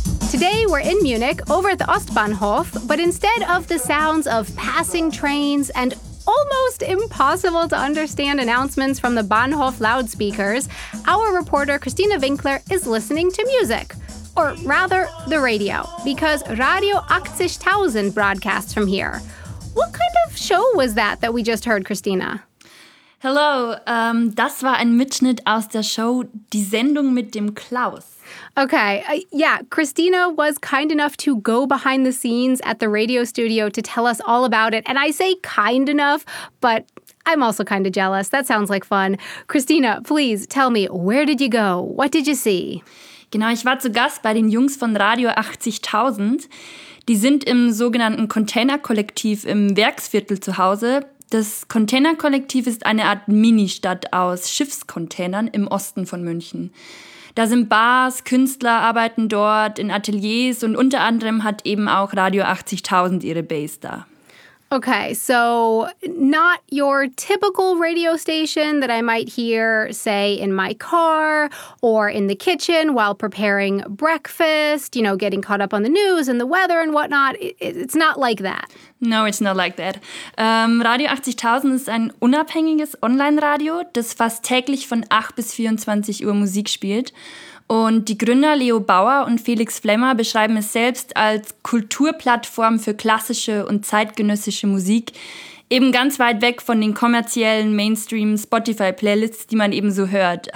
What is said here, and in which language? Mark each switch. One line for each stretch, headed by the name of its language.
English: Today, we're in Munich over at the Ostbahnhof, but instead of the sounds of passing trains and almost impossible to understand announcements from the Bahnhof loudspeakers, our reporter Christina Winkler is listening to music. Or rather, the radio, because Radio 80.000 broadcasts from here. What kind of show was that that we just heard, Christina? Hello,
German: das war ein Mitschnitt aus der Show Die Sendung mit dem Klaus.
English: Okay, yeah, Christina was kind enough to go behind the scenes at the radio studio to tell us all about it. And I say kind enough, but I'm also kind of jealous. That sounds like fun. Christina, please tell me, where did you go? What did you see?
German: Genau, ich war zu Gast bei den Jungs von Radio 80.000. Die sind im sogenannten Containerkollektiv im Werksviertel zu Hause. Das Containerkollektiv ist eine Art Ministadt aus Schiffscontainern im Osten von München. Da sind Bars, Künstler arbeiten dort in Ateliers und unter anderem hat eben auch Radio 80.000 ihre Base da.
English: Okay, so not your typical radio station that I might hear, say, in my car or in the kitchen while preparing breakfast, you know, getting caught up on the news and the weather and whatnot. It's not like that. No, it's not like that.
German: Radio 80.000 ist ein unabhängiges Online-Radio, das fast täglich von 8 bis 24 Uhr Musik spielt. Und die Gründer Leo Bauer und Felix Flemmer beschreiben es selbst als Kulturplattform für klassische und zeitgenössische Musik, eben ganz weit weg von den kommerziellen Mainstream-Spotify-Playlists, die man eben so hört.